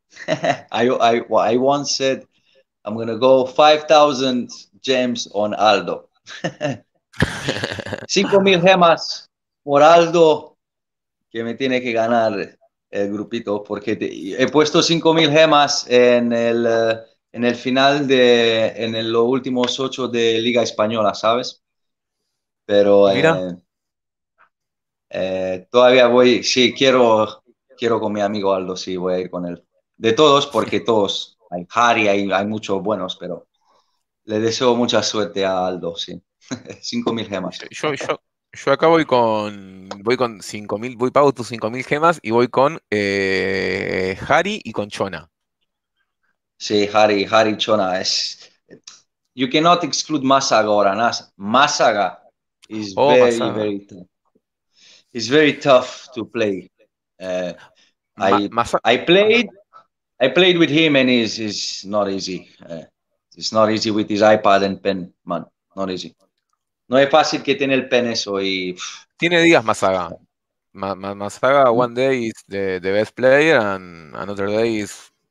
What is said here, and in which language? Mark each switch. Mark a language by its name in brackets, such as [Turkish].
[English] I once said I'm gonna go 5,000 gems on Aldo. [Spanish] 5,000 gemas por Aldo, que me tiene que ganar el grupito, porque he puesto 5,000 gemas en el final en los últimos 8 de Liga Española, ¿sabes? Pero Mira. Todavía voy, sí, quiero con mi amigo Aldo, sí, voy a ir con él. De todos, porque todos, hay Harry, hay muchos buenos, pero le deseo mucha suerte a Aldo, sí. 5.000 gemas. Yo acá voy con 5.000, voy pago tus 5.000 gemas y voy con Harry y con Chona. [English] Sí, Harry Chona, es. You cannot exclude Masaga ahora, Masaga is Oh, very, Masaga. very tough. It's very tough to play. Masaga. I played with him and he's not easy. It's not easy with his iPad and pen, man. Not easy. [Spanish] No es fácil que tiene el pen eso y. Tiene días Masaga. [English] Masaga, one day is the best player and another day is.